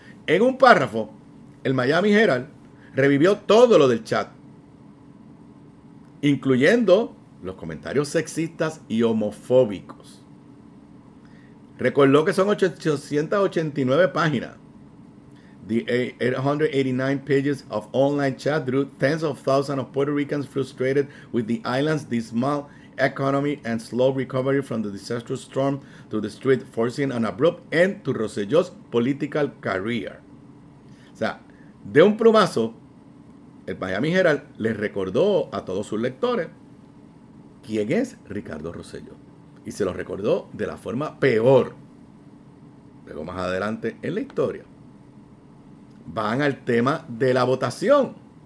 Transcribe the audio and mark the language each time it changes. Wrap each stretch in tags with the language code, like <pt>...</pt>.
<es>En un párrafo, el Miami Herald revivió todo lo del chat, incluyendo los comentarios sexistas y homofóbicos. Recordó que son 889 páginas.</es> <en>The 889 pages of online chat drew tens of thousands of Puerto Ricans frustrated with the island's dismal economy and slow recovery from the disastrous storm to the street, forcing an abrupt end to Rosselló's political career.</en> <es>O sea, de un plumazo, el Miami Herald le recordó a todos sus lectores quién es Ricardo Rosselló. Y se lo recordó de la forma peor. luego más adelante en la historia, van al tema de la votación.</es>